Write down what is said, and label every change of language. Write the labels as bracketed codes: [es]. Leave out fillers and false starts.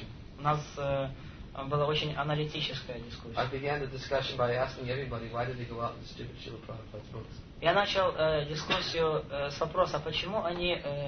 [ru] У нас была очень аналитическая дискуссия. [en] I began the discussion by asking everybody, why did they go out and distribute Srila Prabhupada's books? [ru] Я начал дискуссию с вопроса, почему они